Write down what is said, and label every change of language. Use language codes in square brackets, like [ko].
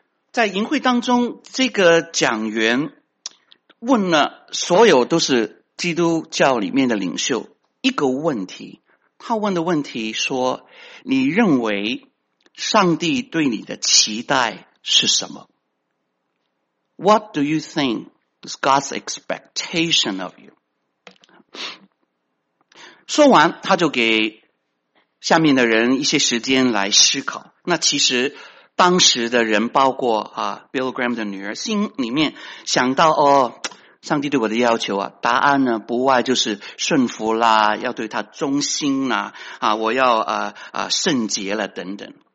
[zh] 在营会当中，这个讲员问了所有都是基督教里面的领袖一个问题，他问的问题说，你认为上帝对你的期待是什么？ [en] What do you think is God's expectation of you? [zh] 说完，他就给下面的人一些时间来思考。那其实当时的人，包括Bill Graham 的女儿，心里面想到哦，上帝对我的要求啊，答案呢不外就是顺服啦，要对他忠心啦，我要圣洁了等等。